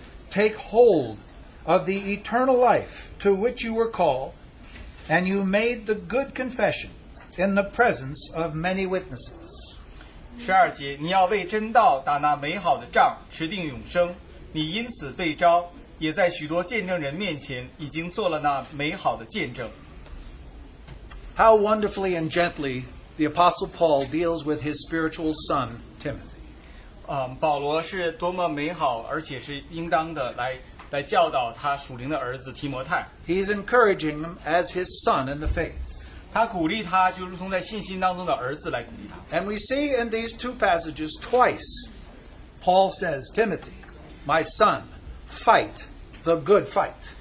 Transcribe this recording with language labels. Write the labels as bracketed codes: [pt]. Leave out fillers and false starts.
[en] Take hold of the eternal life to which you were called. And you made the good confession in the presence of many witnesses. [zh] 12节, 你要为真道打那美好的仗, 持定永生, 你因此被招, 也在许多见证人面前已经做了那美好的见证。 [en] How wonderfully and gently the Apostle Paul deals with his spiritual son, Timothy. [zh] 保罗是多么美好而且是应当的来教导他属灵的儿子提摩太。 [en] He's encouraging him as his son in the faith. [zh] 他鼓励他就如同在信心当中的儿子来鼓励他。 [en] And we see in these two passages twice, Paul says, Timothy, my son, fight the good fight.